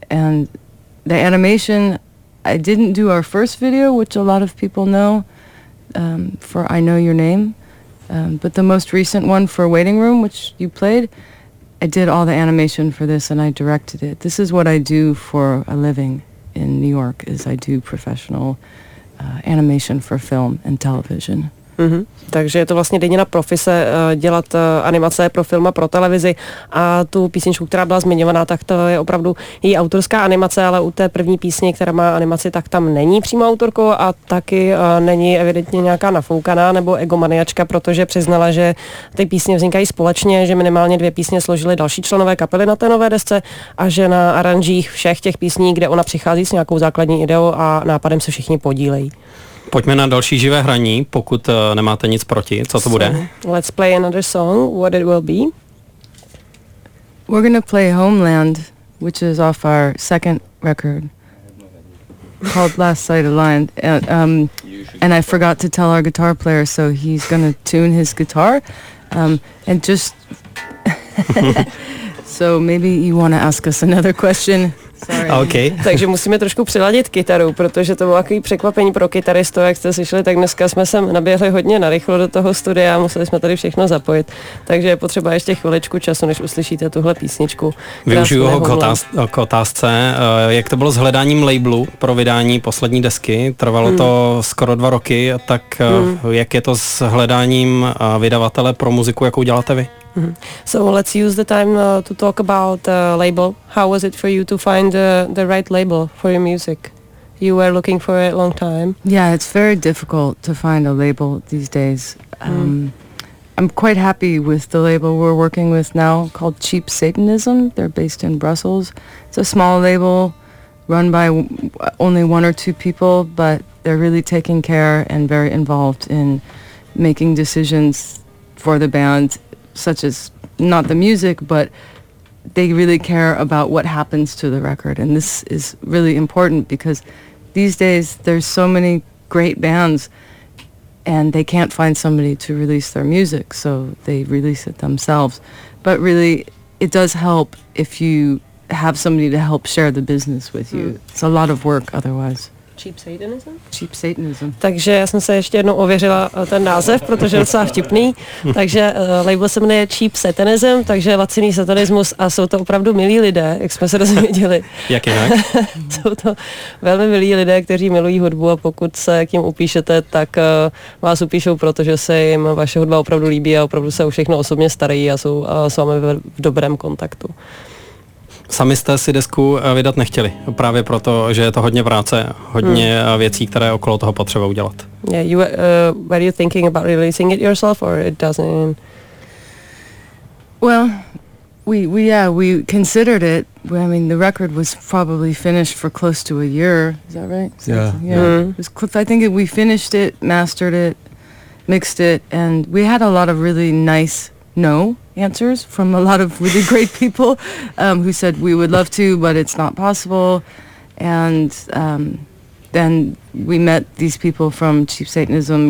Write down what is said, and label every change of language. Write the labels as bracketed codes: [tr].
[en] And the animation, I didn't do our first video, which a lot of people know, for I Know Your Name, but the most recent one for Waiting Room, which you played, I did all the animation for this and I directed it. This is what I do for a living in New York, is I do professional animation for film and television. Mm-hmm. [cs] Takže je to vlastně denně na profise dělat animace pro film a pro televizi a tu písničku, která byla zmiňovaná, tak to je opravdu její autorská animace, ale u té první písně, která má animaci, tak tam není přímo autorkou a taky není evidentně nějaká nafoukaná nebo egomaniačka, protože přiznala, že ty písně vznikají společně, že minimálně dvě písně složili další členové kapely na té nové desce a že na aranžích všech těch písní, kde ona přichází s nějakou základní ideou a nápadem, se všichni podílejí. Pojďme na další živé hraní, pokud nemáte nic proti. Co to bude? [en] Let's play another song. What it will be? We're gonna play Homeland, which is off our second record, called Last Sight Aligned. And I forgot to tell our guitar player, so he's gonna tune his guitar. And just... so maybe you wanna ask us another question. Okay. [cs] Takže musíme trošku přiladit kytaru, protože to bylo takový překvapení pro kytaristu, jak jste slyšeli, tak dneska jsme sem naběhli hodně narychlo do toho studia a museli jsme tady všechno zapojit. Takže je potřeba ještě chviličku času, než uslyšíte tuhle písničku. Využiju ho k otázce. Jak to bylo s hledáním labelu pro vydání poslední desky? Trvalo to skoro 2 roky, tak jak je to s hledáním vydavatele pro muziku, jakou děláte vy? [en] So let's use the time to talk about label. How was it for you to find the right label for your music? You were looking for it a long time. Yeah, it's very difficult to find a label these days. I'm quite happy with the label we're working with now called Cheap Satanism. They're based in Brussels. It's a small label run by only one or two people, but they're really taking care and very involved in making decisions for the band, such as not the music, but they really care about what happens to the record. And this is really important because these days there's so many great bands and they can't find somebody to release their music, so they release it themselves. But really, it does help if you have somebody to help share the business with you. It's a lot of work otherwise. Cheap Satanism. [cs] Takže já jsem se ještě jednou ověřila ten název, protože je docela vtipný. Takže label se jmenuje Cheap Satanism, takže laciný satanismus a jsou to opravdu milí lidé, jak jsme se dozvěděli. Jak jinak? Jsou to velmi milí lidé, kteří milují hudbu a pokud se k ním upíšete, tak vás upíšou, protože se jim vaše hudba opravdu líbí a opravdu se o všechno osobně starají a jsou s vámi v dobrém kontaktu. Sami jste si desku vydat nechtěli, právě proto, že je to hodně práce, hodně věcí, které okolo toho potřeba udělat. [en] Yeah, you were you thinking about releasing it yourself or it doesn't? Well, we considered it. I mean, the record was probably finished for close to a year, is that right? Yeah. It was, I think we finished it, mastered it, mixed it and we had a lot of really nice no answers from a lot of really great people who said we would love to but it's not possible, and then we met these people from Cheap Satanism.